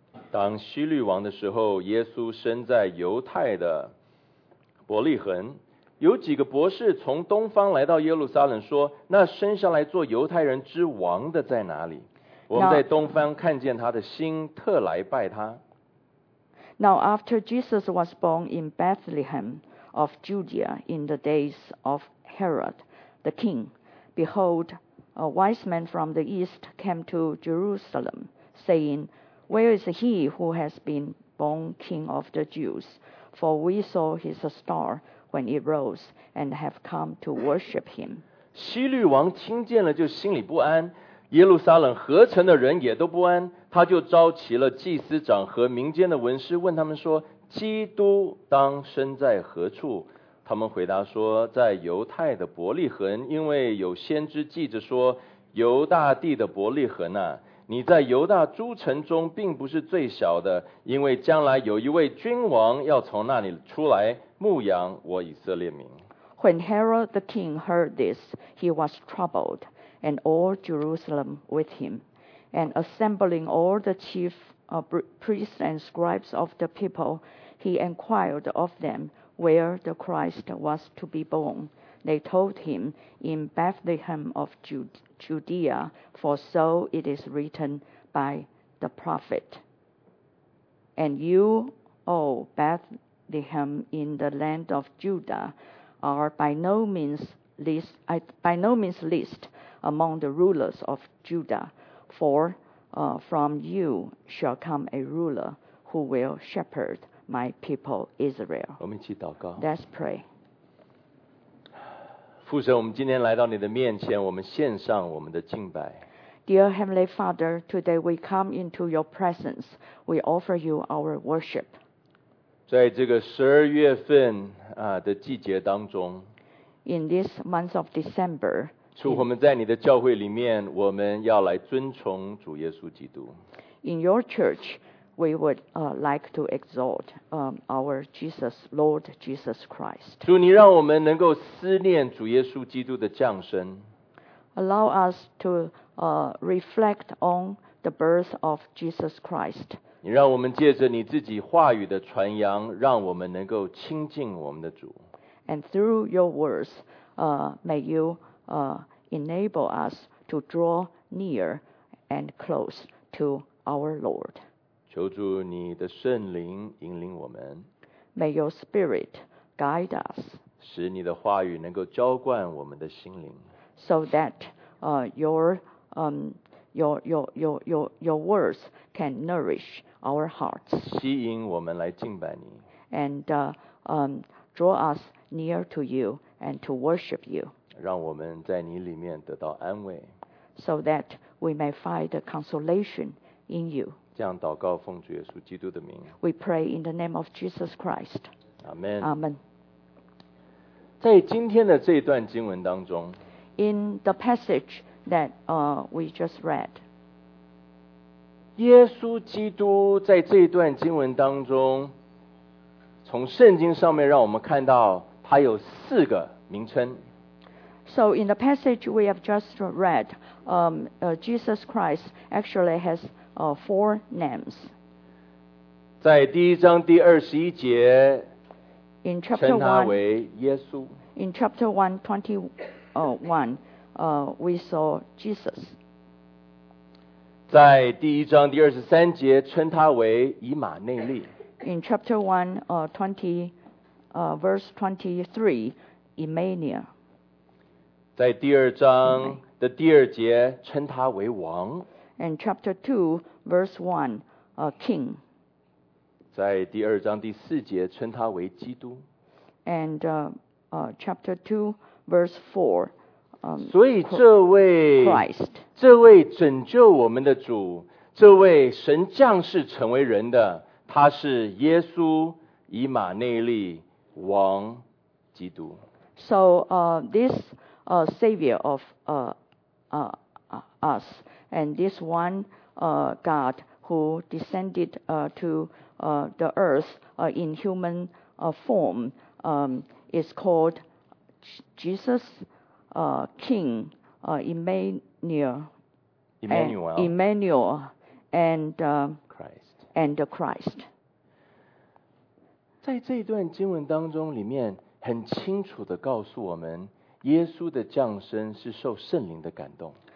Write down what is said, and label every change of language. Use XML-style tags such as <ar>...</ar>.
<zh>当希律王的时候，耶稣生在犹太的伯利恒。有几个博士从东方来到耶路撒冷，说：“那生下来做犹太人之王的在哪里？” 我们在东方看见他的心，特来拜他。</zh> <en>Now after Jesus was born in Bethlehem of Judea in the days of Herod the king, behold, a wise man from the east came to Jerusalem, saying, Where is he who has been born king of the Jews? For we saw his star when it rose, and have come to worship him.</en> <zh>希律王听见了就心里不安，耶路撒冷合城的人也都不安，他就召集了祭司长和民间的文士，问他们说：“基督当生在何处？” 他们回答说：“在犹太的伯利恒，因为有先知记着说：犹大地的伯利恒啊，你在犹大诸城中并不是最小的，因为将来有一位君王要从那里出来，牧养我以色列民。”</zh> <en>When Herod the king heard this, he was troubled. And all Jerusalem with him, and assembling all the chief priests and scribes of the people, he inquired of them where the Christ was to be born. They told him, In Bethlehem of Judea, for so it is written by the prophet. And you, O Bethlehem, in the land of Judah, are by no means least. Among the rulers of Judah, for from you shall come a ruler who will shepherd my people Israel.</en> <zh>我们一起祷告。</zh> <en>Let's pray.</en> <zh>父神，我们今天来到你的面前，我们献上我们的敬拜。</zh> <en>Dear Heavenly Father, today we come into your presence. We offer you our worship.</en> <zh>在这个十二月份的季节当中</zh> <en>，In this month of December.</en> <zh>主，我们在你的教会里面，我们要来尊崇主耶稣基督。</zh> <en>In your church, we would like to exalt our Jesus, Lord Jesus Christ.</en> <zh>主，你让我们能够思念主耶稣基督的降生。</zh> <en>Allow us to reflect on the birth of Jesus Christ.</en> <zh>你让我们借着你自己话语的传扬，让我们能够亲近我们的主。</zh> <en>And through your words, may youenable us to draw near and close to our Lord.</en> <zh>求主你的圣灵引领我们。</zh> <en>May your spirit guide us.</en> <zh>使你的话语能够浇灌我们的心灵。</zh> <en>So that your words can nourish our hearts.</en> <zh>吸引我们来敬拜你。</zh> <en>And draw us near to you and to worship you.</en> <zh>让我们在你里面得到安慰</zh> <en>，so that we may find consolation in you.</en> <zh>这样祷告，奉主耶稣基督的名。</zh> <en>We pray in the name of Jesus Christ. Amen. Amen.</en> <zh>在今天的这一段经文当中</zh> <en>，in the passage that we just read,</en> <zh>耶稣基督在这一段经文当中，从圣经上面让我们看到他有四个名称。</zh> <en>So in the passage we have just read, Jesus Christ actually has four names.</en> <zh>在第一章第二十一节</zh> <en>，in chapter one,</en> <zh>称他为耶稣。</zh> <en>In chapter 1:21, we saw Jesus.</en> <zh>在第一章第二十三节，称他为以马内利。</zh> <en>In chapter 1:23, Emmanuel.</en> <zh>在第二章的第二节，称他为王。</zh> <en>In chapter 2:1, king.</en> <zh>在第二章第四节，称他为基督。</zh> <en>And chapter 2:4.</en> <zh>所以这位</zh> <en>Christ,</en> <zh>这位拯救我们的主，这位神降世成为人的，他是耶稣以马内利王基督。</zh> <en>So this savior of us and this one God who descended to the earth in human form is called Jesus King Emmanuel and Christ.</en> <zh>在这一段经文当中，里面很清楚的告诉我们，耶稣的降生是受圣灵的感动。</zh>